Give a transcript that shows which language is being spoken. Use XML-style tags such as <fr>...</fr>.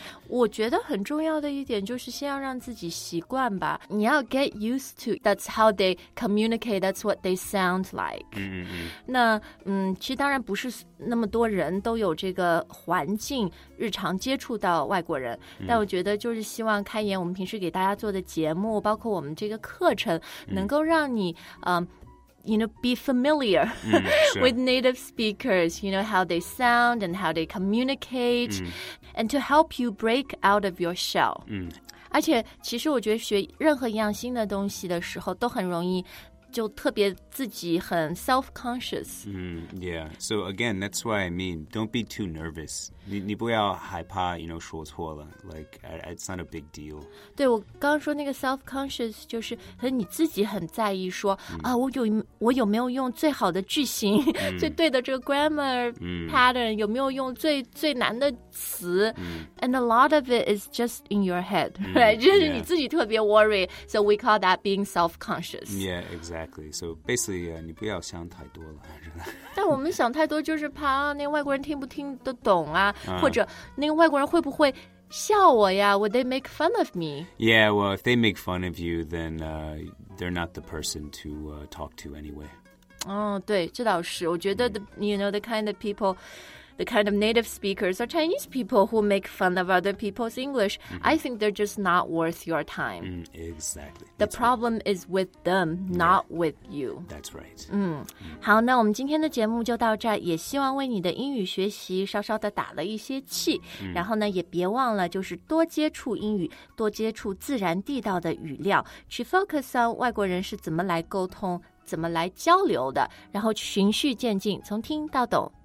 <zh>我觉得很重要的一点就是先要让自己习惯吧。你要</zh> <en>get used to, that's how they communicate, that's what they sound like.</en> <zh>那其实当然不是那么多人都有这个环境日常接触到外国人。但我觉得就是希望开言我们平时给大家做的节目包括我们这个课程能够让你</zh> <en>You know, be familiar with native speakers, you know, how they sound and how they communicate, and to help you break out of your shell.</en> <zh>而且其实我觉得学任何一样新的东西的时候都很容易就特别自己很 self-conscious.</zh> <en>Yeah, so again, that's what I mean. Don't be too nervous.</en> <zh>你不要害怕</zh> <en>you know,</en> <zh>说错了</zh> <en>Like, it's not a big deal.</en> <zh>对,我刚刚说那个 self-conscious 就是你自己很在意说啊，我有没有用最好的句型最对的这个 grammar pattern 有没有用最难的词</zh> <en>And a lot of it is just in your head, right?</en> <zh>就是你自己特别 worry.</zh> <en>So we call that being self-conscious. Yeah, exactly. So basically,</en> <zh>你不要想太多了。但我们想太多就是怕那外国人听不听得懂啊。或者那个外国人会不会笑我呀</zh> <en>Would they make fun of me? Yeah, well, if they make fun of you, then they're not the person to talk to anyway.</en> <zh>对，这倒是。我觉得</zh> <en>you know, the kind of people, the kind of native speakers are Chinese people who make fun of other people's English. I think they're just not worth your time. Exactly. The problem is with them, not with you. That's right.</en> <zh>好，那我们今天的节目就到这儿，也希望为你的英语学习稍稍的打了一些气。然后呢，也别忘了就是多接触英语，多接触自然地道的语料，去 focus on 外国人是怎么来沟通，怎么来交流的，然后循序渐进，从听到懂。</zh>